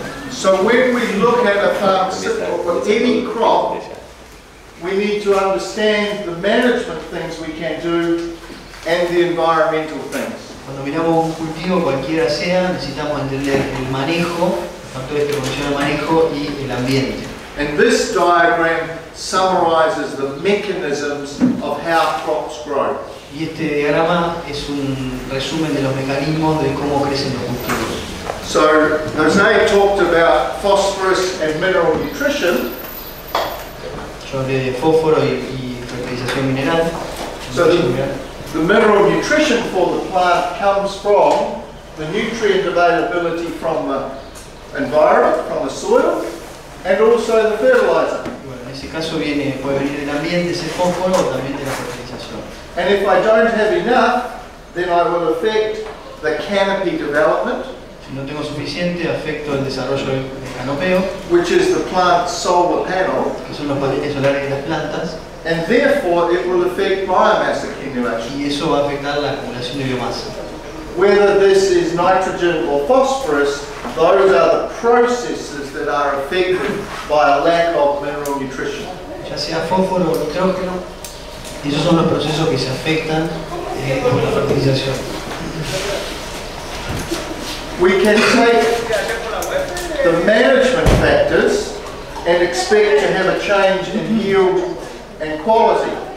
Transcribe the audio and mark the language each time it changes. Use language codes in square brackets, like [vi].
[en] So when we look at a farm or any crop, we need to understand the management things we can do and the environmental things. [es] Cuando miramos un cultivo, cualquiera sea, necesitamos entender el manejo, tanto este como el manejo y el ambiente. [en] And this diagram summarizes the mechanisms of how crops grow. [es] Y este diagrama es un resumen de los mecanismos de cómo crecen los cultivos. [en] So, Jose talked about phosphorus and mineral nutrition. [es] Yo hablé de fósforo y fertilización mineral. [en] So, the mineral nutrition for the plant comes from the nutrient availability from the environment, from the soil, and also the fertilizer. [es] Bueno, en ese caso viene, puede venir del ambiente ese fósforo o también de la fertilización. [en] And if I don't have enough, then I will affect the canopy development. [es] Si no tengo suficiente, afecto el desarrollo del canopeo, [en] which is the plant's solar panel, [es] que son los paneles solares de las plantas, [en] and therefore it will affect biomass accumulation. [es] Y eso va a afectar la acumulación de biomasa. [en] Whether this is nitrogen or phosphorus, those are the processes that are affected by a lack of mineral nutrition. [es] Ya sea fósforo o nitrógeno, esos son los procesos que se afectan con la fertilización. [en] We can take the management factors and expect to have a change in yield and quality.